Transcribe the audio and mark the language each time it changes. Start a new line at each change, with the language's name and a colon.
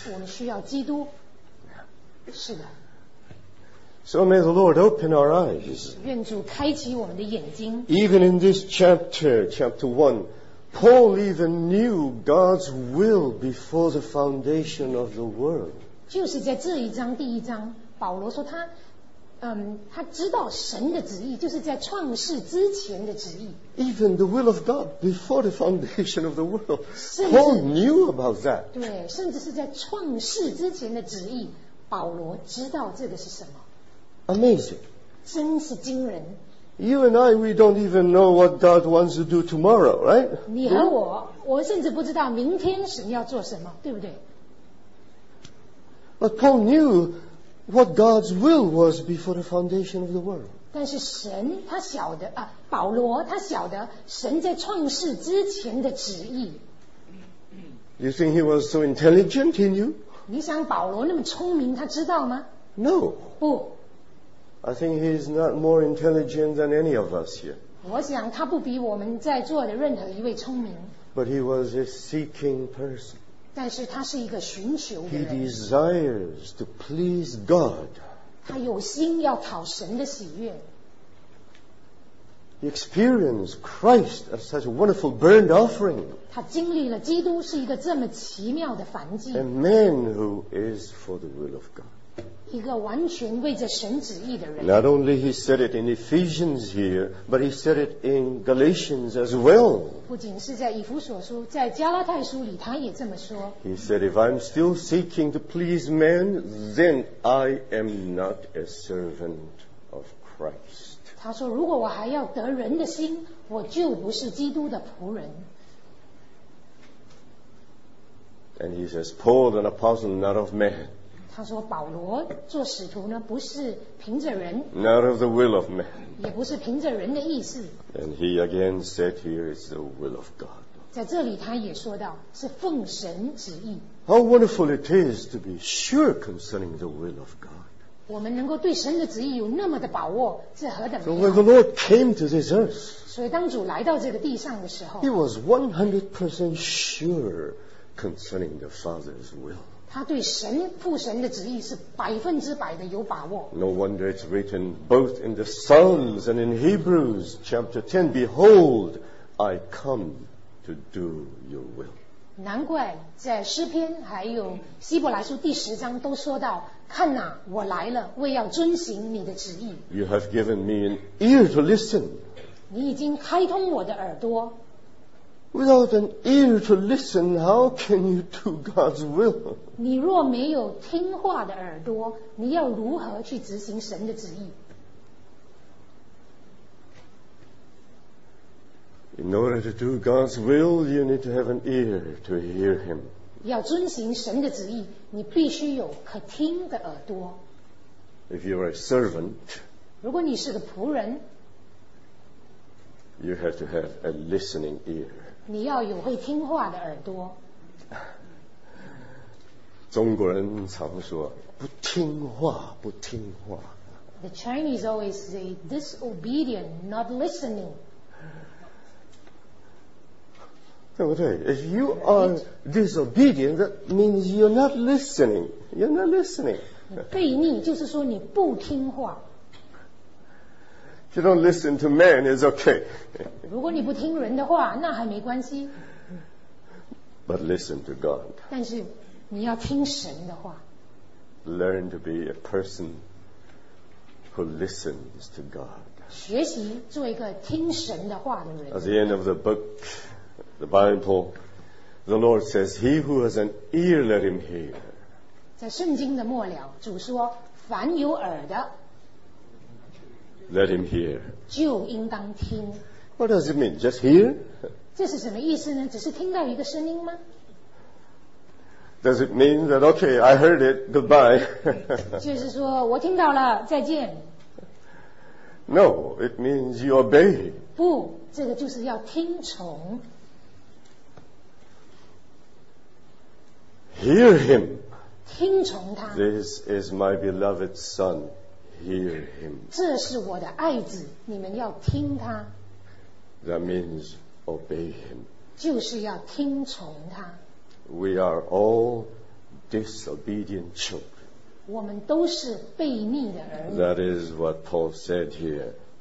Chinese: 我们需要基督。是的。
English: So may the Lord open our eyes.
Chinese: 愿主开启我们的眼睛。
English: Even in this chapter, chapter 1, Paul even knew God's will before the foundation of the world.
Chinese: 就是在这一章第一章，保罗说他，他知道神的旨意，就是在创世之前的旨意。
English: Even the will of God before the foundation of the world, Paul knew about that.
Chinese: 对，甚至是在创世之前的旨意，保罗知道这个是什么。
English: Amazing.
Chinese: 真是惊人。
English: You and I, we don't even know what God wants to do tomorrow, right?
Chinese: 你和我，我甚至不知道明天神要做什么，对不对？
English: But Paul knew. What God's will was before the foundation of the world.
Chinese: 但是神他晓得啊，保罗他晓得神在创世之前的旨意。
English: You think he was so intelligent? He knew.
Chinese: 你想保罗那么聪明，他知道吗？
English: No.
Chinese: 不。
English: I think he is not more intelligent than any of us here.
Chinese: 我想他不比我们在座的任何一位聪明。
English: But he was a seeking person.
Chinese: 但是他是一个寻求的人。
English: He desires to please God.
Chinese: 他有心要讨神的喜悦。
English: He experienced Christ as such a wonderful burnt offering.
Chinese: 他经历了基督是一个这么奇妙的燔祭。
English: A man who is for the will of God.
Chinese: 一个完全为着神旨意的人。
English: Not only he said it in Ephesians here, but he said it in Galatians as well.
Chinese: 不仅是在以弗所书，在加拉太书里他也这么说。
English: He said, if I'm still seeking to please men, then I am not a servant of Christ.
Chinese: 他说，如果我还要得人的心，我就不是基督的仆人。
English: And he says, Paul, an apostle, not of men.
Chinese: 他说保罗做使徒呢不是凭着人
English: Not of the will of man
Chinese: 也不是凭着人的意思
English: And he again said here is the will of God
Chinese: 在这里他也说到是奉神旨意
English: How wonderful it is to be sure concerning the will of God
Chinese: 我们能够对神的旨意有那么的把握，是何等
English: 的。So when the Lord came to this earth,
Chinese: 所以当主来到这个地上的时候
English: ，He was 100% sure concerning the Father's will.
Chinese: 他对神父神的旨意是百分之百的有把握。
English: No wonder it's written both in the Psalms and in Hebrews chapter 10, Behold, I come to do your will.
Chinese: 难怪在诗篇还有希伯来书第十章都说到。看哪，我来了，为要遵行你的旨意。
English: You have given me an ear to listen.
Chinese: 你已经开通我的耳朵。
English: Without an ear to listen, how can you do God's will?
Chinese: 你若没有听话的耳朵，你要如何去执行神的旨意？
English: In order to do God's will, you need to have an ear to hear Him.
Chinese: 要遵行神的旨意，你必须有可听的耳朵。
English: If you are a servant,
Chinese: 如果你是个仆人，
English: you have to have a listening ear.
Chinese: 你要有会听话的耳朵。中国人常说不听话，不听话。
English: The Chinese always say disobedient, not listening.
Chinese: 对不对 ？
English: If you are disobedient, that means you're not listening. You're not listening.
Chinese: 悖逆就是说你不听话。
English: If you don't listen to man, it's okay.
Chinese: 如果你不听人的话，那还没关系。
English: But listen to God.
Chinese: 但是你要听神的话。
English: Learn to be a person who listens to God.
Chinese: 学习做一个听神的话的人。
English: At the end of the book. The Bible, the Lord says, He who has an ear, let him hear.
Chinese: 在圣经的末了，主说，凡有耳的
English: ，let him hear.
Chinese: 就应当听。
English: What does it mean? Just hear?
Chinese: 这是什么意思呢？只是听到一个声音吗？
English: Does it mean that, okay, I heard it, goodbye?
Chinese: 就是说我听到了，再见。
English: No, it means you obey.
Chinese: 不，这个就是要听从。
English: Hear him.
Chinese: 听从他。
English: This is my beloved son. Hear him.
Chinese: 这是我的爱子，你们要听他。
English: That means obey him.
Chinese: 就是要听从他。
English: We are all disobedient children.
Chinese: 我们都是悖逆的儿女。
English: That is what Paul said here.